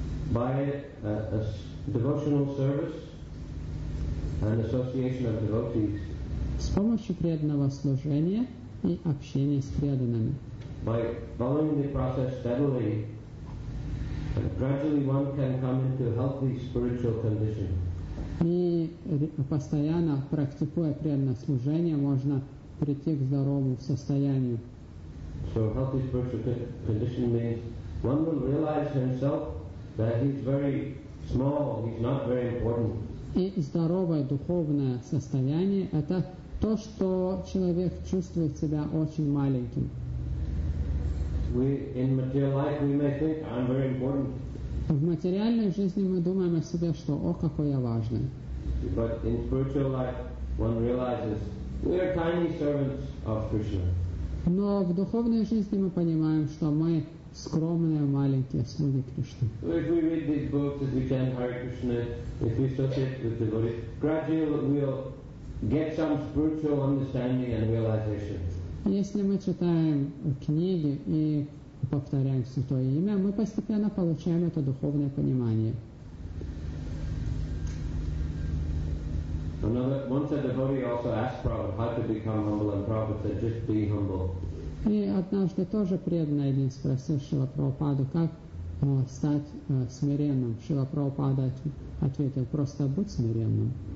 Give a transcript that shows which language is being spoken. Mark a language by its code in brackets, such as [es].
[en] By a devotional service and association of devotees. [ru] С помощью преданного служения и общения с преданными. [en] By following the process steadily, gradually one can come into a healthy spiritual condition. [ru] И постоянно практикуя преданное служение, можно прийти к здоровому состоянию. [en] So healthy spiritual condition means one will realize himself that he's very small, he's not very important. [ru] И здоровое духовное состояние – это то, что человек чувствует себя очень маленьким. [en] We, in material life, we may think I'm very important. [ru] В материальной жизни мы думаем о себе, что «О, какой я важный!» [en] But in spiritual life, one realizes we are tiny servants of Krishna. [ru] Но в духовной жизни мы понимаем, что мы скромные маленькие слуги Кришны. [en] If we read these books, if we chant Hare Krishna, if we associate with devotees, gradually we'll get some spiritual understanding and realization. [ru] Если мы читаем книги и повторяем Святое Имя, мы постепенно получаем это духовное понимание. [en] Once a devotee also asked Prabhupada how to become humble, and Prabhupada said, just be humble. [ru] И однажды тоже преданный один спросил Шрила Прабхупаду, как стать смиренным. Шрила Прабхупада ответил, просто будь смиренным.